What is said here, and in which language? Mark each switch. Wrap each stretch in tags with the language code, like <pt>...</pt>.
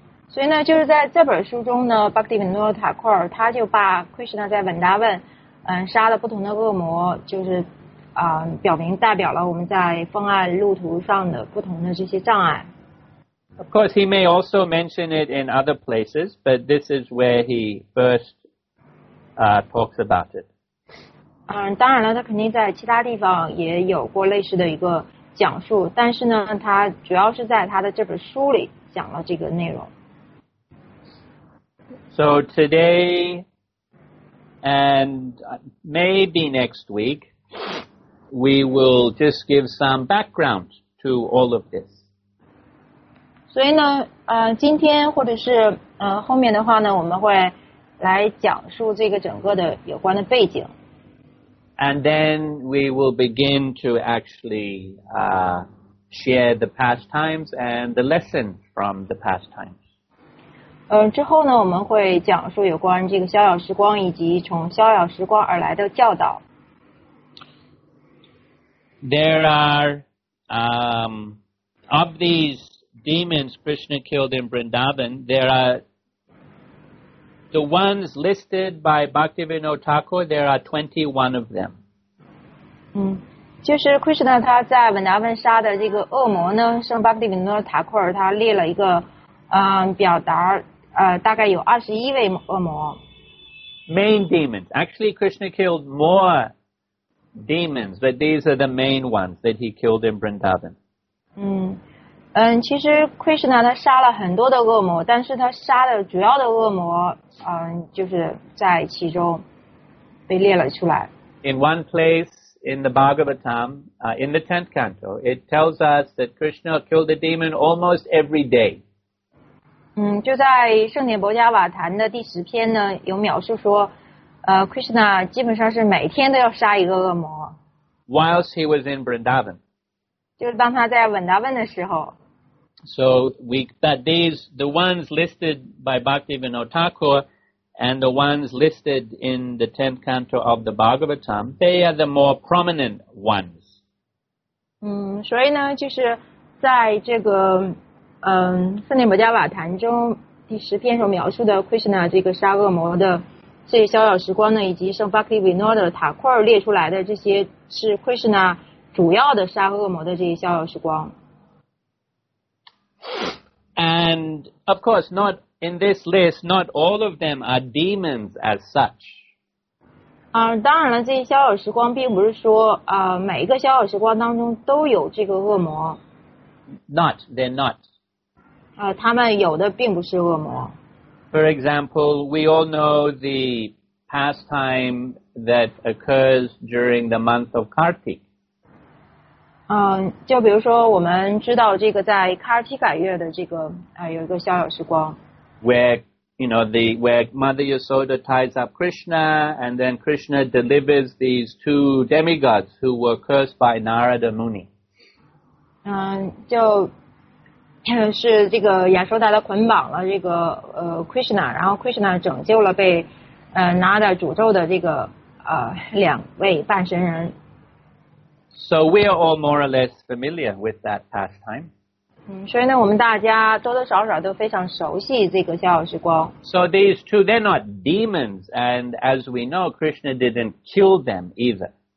<zh>所以呢，就是在这本书中呢，巴克蒂维诺塔库尔他就把 Krishna 在文达文，杀了不同的恶魔，就是表明代表了我们在奉爱路途上的不同的这些障碍。</zh> <en>Of course, he may also mention it in other places, but this is where he first talks about it.</en> <zh>当然了，他肯定在其他地方也有过类似的一个。讲述，但是呢，他主要是在他的这本书里讲了这个内容。</zh> <en>So today and maybe next week, we will just give some background to all of this.</en> <zh>所以呢，今天或者是后面的话呢，我们会来讲述这个整个的有关的背景。</zh> <en>And then we will begin to actually share the pastimes and the lesson from the pastimes.</en> <zh>之后呢，我们会讲述有关这个逍遥时光以及从逍遥时光而来的教导。</zh> <en>There are of these demons Krishna killed in Vrindavan. There are the ones listed by Bhaktivinoda Thakur. There are 21 of them.</en> <zh>就是 Krishna 他在文达文杀的这个恶魔呢圣巴克蒂维诺塔库尔他列了一个表达大概有21位恶魔</zh> <en>main demons actually Krishna killed more demons but these are the main ones that he killed in Vrindavan</en> <zh>嗯，其实 Krishna 他杀了很多的恶魔，但是他杀的主要的恶魔，嗯，就是在其中被列了出来。</zh> <en>In one place in the Bhagavatam, in the 10th canto, it tells us that Krishna killed a demon almost every day.</en> <zh>嗯，就在圣典博迦瓦坛的第十篇呢，有描述说，Krishna 基本上是每天都要杀一个恶魔。</zh> <en>Whilst he was in Vrindavan.</en> <zh>就是当他在文达问的时候。</zh> <en>So, that these, the ones listed by Bhaktivinoda Thakur and the ones listed in the 10th canto of the Bhagavatam, they are the more prominent ones.</en> <zh>嗯，所以呢，就是在这个圣典摩迦瓦坛中第十篇所描述的 Krishna 这个杀恶魔的这些逍遥时光呢，以及圣 Bhaktivinoda Thakur 列出来的这些是 Krishna主要的杀恶魔的这些逍遥时光。</zh> <en>And of course, not in this list, not all of them are demons as such.</en> <zh>当然了，这些逍遥时光并不是说每一个逍遥时光当中都有这个恶魔。</zh> <en>Not, they're not.</en> <zh>他们有的并不是恶魔。</zh> <en>For example, we all know the pastime that occurs during the month of Kartik.</en> <zh>就比如说我们知道这个在卡尔提改月的这个有一个逍遥时光。</zh> <en>Where Mother Yasoda ties up Krishna, and then Krishna delivers these two demigods who were cursed by Narada Muni.</en> <zh>就是这个亚修达他捆绑了这个Krishna, 然后 Krishna 拯救了被Narada诅咒的这个两位半神人。</zh> <en>So we are all more or less familiar with that pastime.</en> <zh>所以呢，我们大家多多少少都非常熟悉这个逍遥时光。</zh> <en>So these two, they're not demons, and as we know, Krishna didn't kill them either.</en>